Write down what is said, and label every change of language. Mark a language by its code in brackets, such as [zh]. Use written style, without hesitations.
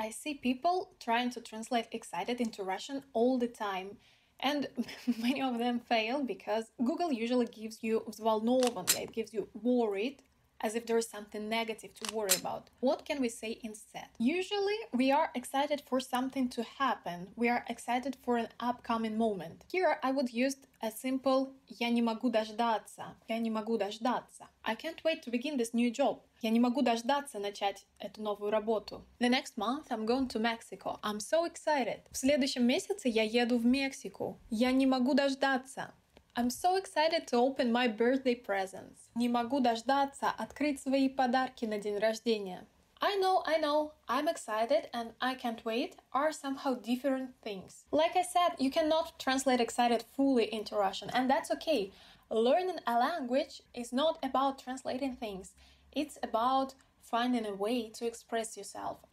[en] I see people trying to translate excited into Russian all the time, and many of them fail because Google usually gives you взволнован, it gives you worried, as if there is something negative to worry about. What can we say instead? Usually, we are excited for something to happen. We are excited for an upcoming moment. Here, I would use a simple [ru] я не могу дождаться. Я не могу дождаться. [en] I can't wait to begin this new job. [ru] Я не могу дождаться начать эту новую работу. [en] The next month I'm going to Mexico. I'm so excited. [ru] В следующем месяце я еду в Мексику. Я не могу дождаться. [en] I'm so excited to open my birthday presents. [ru] Не могу дождаться открыть свои подарки на день рождения. [en] I know, I'm excited and I can't wait are somehow different things. Like I said, you cannot translate excited fully into Russian, and that's okay. Learning a language is not about translating things. It's about finding a way to express yourself.